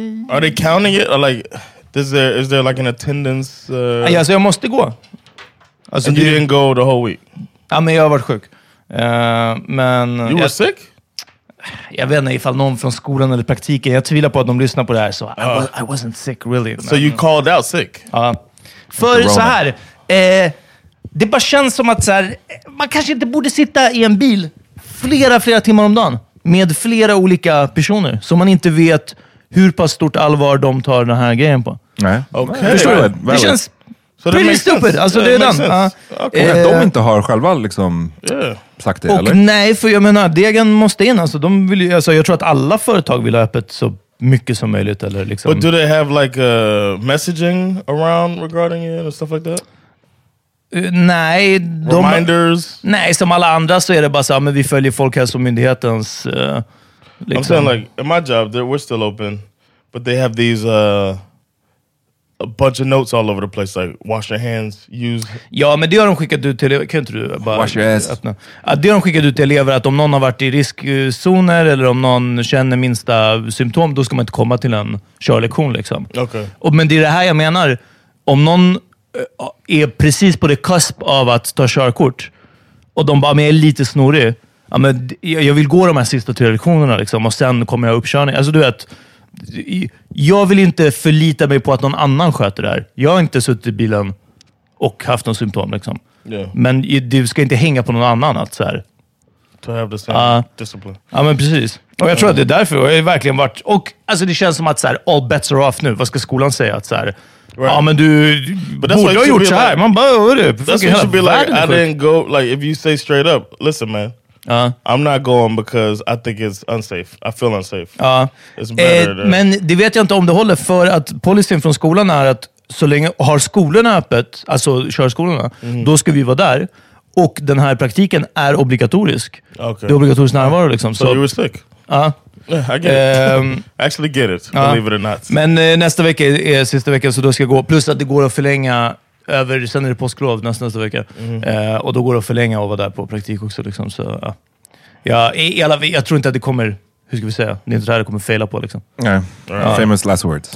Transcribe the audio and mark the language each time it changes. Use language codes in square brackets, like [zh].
[en] Are they counting it? Or like... Is there like an attendance? [sv] Ja, så jag måste gå. Alltså, [en] and you didn't go the whole week? [sv] Ja, men jag har varit sjuk. Men [en] you were sick? [sv] Jag vet inte ifall någon från skolan eller praktiken. Jag tvivlar på att de lyssnar på det här. Så [en] I wasn't sick, really. So you called out sick? [sv] Ja. För så här. Det bara känns som att så här, man kanske inte borde sitta i en bil flera timmar om dagen. Med flera olika personer. Som man inte vet... Hur pass stort allvar de tar den här grejen på? Nej. [en] Okay. [sv] Förstår du? Det känns [en] so pretty stupid. [sv] Alltså det är den. [en] Okay. [sv] De inte har själva liksom sagt det, och eller? Nej, för jag menar, degen måste in. Alltså, de vill, alltså, jag tror att alla företag vill ha öppet så mycket som möjligt. Eller liksom. [en] But do they have like messaging around regarding it and stuff like that? [sv] Nej. [en] Reminders? [sv] Nej, som alla andra så är det bara så att vi följer Folkhälsomyndighetens... Liksom. [en] I'm saying, like, in my job, we're still open, but they have these, a bunch of notes all over the place, like, wash your hands, use... [sv] Ja, men det har de skickat ut till... Kan inte du bara... [en] Wash your ass. [sv] Det har de skickat ut till elever att om någon har varit i riskzoner eller om någon känner minsta symptom, då ska man inte komma till en körlektion, liksom. [en] Okay. [sv] Och, men det är det här jag menar. Om någon är precis på det cusp av att ta körkort, och de bara, men är lite snorig... Ja, men jag vill gå de här sista tre lektionerna liksom, och sen kommer jag uppkörning. Alltså, du vet, jag vill inte förlita mig på att någon annan sköter det här. Jag har inte suttit i bilen och haft någon symptom. Liksom. [en] Yeah. [sv] Men du ska inte hänga på någon annan. Att, så här. [en] To have the same discipline. [sv] Ja, men precis. Och jag tror att det är därför. Jag har verkligen varit, och alltså, det känns som att så här, [en] all bets are off [sv] nu. Vad ska skolan säga? Att, så här, right. Ja, men du borde ha gjort så här. Like, man bara, hör du? [en] That's what should be like, I didn't go, like, if you say straight up, listen man. I'm not going because I think it's unsafe. I feel unsafe. [sv] Men det vet jag inte om det håller, för att policyn från skolan är att så länge har skolorna öppet, alltså körskolorna, då ska vi vara där. Och den här praktiken är obligatorisk. [en] Okay. [sv] Det är obligatorisk närvaro liksom. [en] So you were sick? [sv] Ja. [en] Yeah, I get it. I actually get it, believe it or not. [sv] Men nästa vecka är sista veckan, så då ska jag gå. Plus att det går att förlänga över, sen är det påsklov nästa vecka. Mm. Och då går det att förlänga och vara där på praktik också liksom. Så, ja. Jag tror inte att det kommer... Hur ska vi säga? Det är inte det här det kommer fejla på liksom. Nej, [en] right. Famous last words.